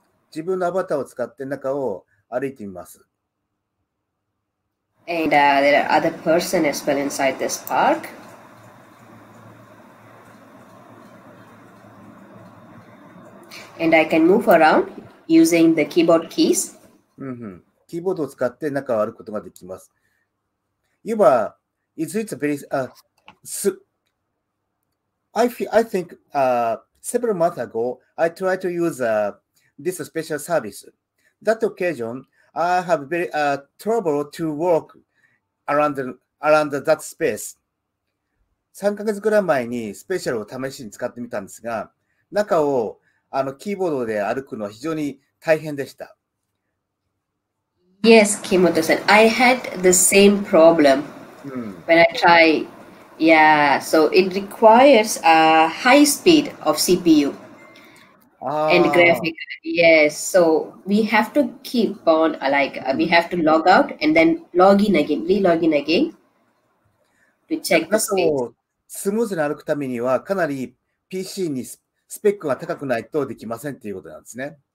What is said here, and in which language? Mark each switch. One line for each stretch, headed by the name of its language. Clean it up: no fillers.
Japanese: 自分のアバターを使って中を歩いてみます。
English: And there are other person as well inside this park. And I can move around using the keyboard keys.
Japanese: キーボードを使って中を歩くことができます。
English: Yuba, is it very, several months ago, I tried to use this special service. That occasion, I have very trouble to walk around that space.
Japanese: 3ヶ月ぐらい前にスペシャルを試しに使ってみたんですが、中をキーボードで歩くのは非常に大変でした。
English: Yes, Kimoto-san. I had the same problem when I try. Yeah, so it requires a high speed of CPU and graphic. Yes, so we have to keep on like we have to log out and then log in again, re-log in again to check the speed.
Japanese: スムーズに歩くためにはかなり PC にスペックが高くないとできませんっていうことなんですね。